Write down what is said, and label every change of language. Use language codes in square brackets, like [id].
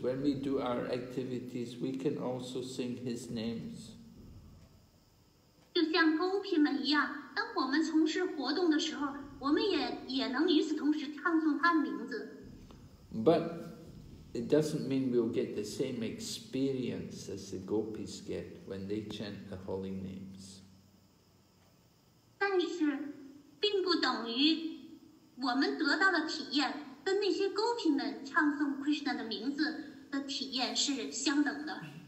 [en] When we do our activities, we can also sing his names. [zh] 就像 gopi 们一样，当我们从事活动的时候，我们也能与此同时唱诵他的名字。 [en] But it doesn't mean we'll get the same experience as the gopis get when they chant the holy names. [zh] 但是并不等于我们得到的体验跟那些 gopi 们唱诵 Krishna 的名字的体验是相等的。